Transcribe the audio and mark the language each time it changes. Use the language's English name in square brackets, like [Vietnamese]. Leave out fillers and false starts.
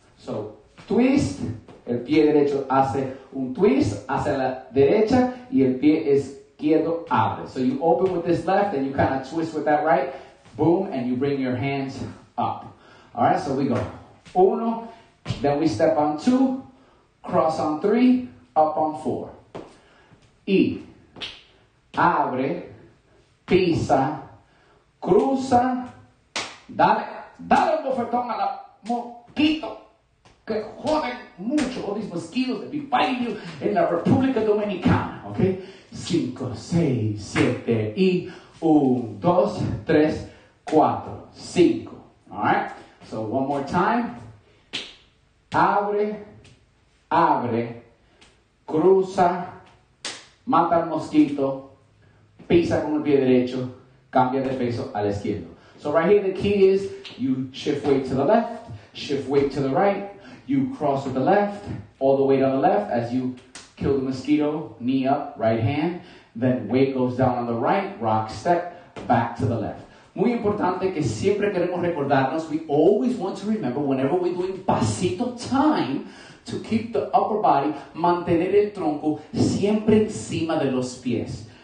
[Spanish] So twist, el pie derecho hace un twist hacia la derecha y el pie izquierdo abre. [English] So you open with this left and you kind of twist with that right. Boom, and you bring your hands up. Alright, so we go. Uno. Then we step on two, cross on three, up on four. [Spanish] Y abre, pisa, cruza, dale, dale un bofetón a la mosquito que joden mucho. [English] All these mosquitoes that be biting you in the República Dominicana, okay? [Spanish] Cinco, seis, siete, y un, dos, tres, cuatro, cinco. [English] All right? So one more time. [Spanish] Abre, abre, cruza, mata al mosquito, pisa con el pie derecho, cambia de peso al izquierdo. [English] So right here the key is, you shift weight to the left, shift weight to the right, you cross with the left, all the way to the left as you kill the mosquito, knee up, right hand, then weight goes down on the right, rock step, back to the left. [Spanish] Muy importante que siempre queremos recordarnos, [English] we always want to remember, whenever we're doing pasito time, to keep the upper body, [Spanish] mantener el tronco siempre encima de los pies.